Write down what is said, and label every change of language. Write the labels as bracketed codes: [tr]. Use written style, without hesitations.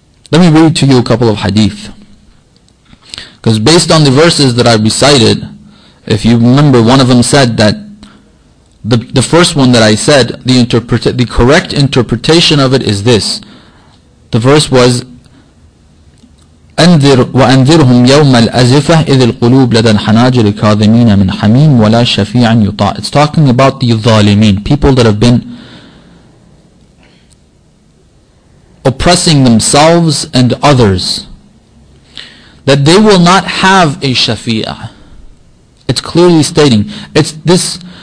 [en] Let me read to you a couple of hadith. Because based on the verses that I recited, if you remember, one of them said that the first one that I said, the correct interpretation of it is this. The verse was, [ar] أنذر وأنذرهم يوم الأزفة إذ القلوب لدى الحناجر كاظمين من حميم ولا شفيع يطاع. [en] It's talking about the ظالمين, people that have been oppressing themselves and others, that they will not have a shafi'a. It's clearly stating. It's this.